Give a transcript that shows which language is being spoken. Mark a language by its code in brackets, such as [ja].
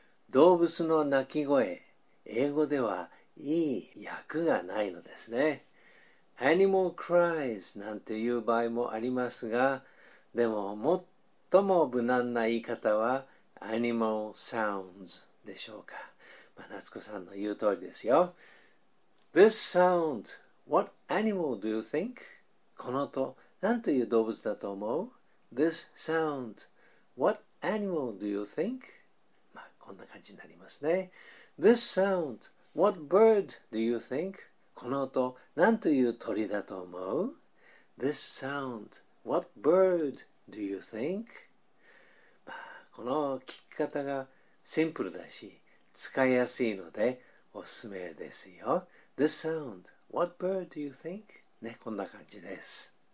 [ja] 動物の鳴き声、英語ではいい訳がないのですね。 [en] Animal cries [ja] なんていう場合もありますが、でも最も無難な言い方は [en] Animal sounds [ja] でしょうか。夏子さんの言う通りですよ。 [en] This sound, what animal do you think? [ja] この音、何という動物だと思う？ [en] This sound, what animal do you think? [ja] こんな感じになりますね。 [en] This sound, what bird do you think? [ja] この音、何という鳥だと思う？ [en] This sound, what bird do you think? [ja] この聞き方がシンプルだし、使いやすいのでおすすめですよ。 [en] This sound, what bird do you think? [ja] ね、こんな感じです。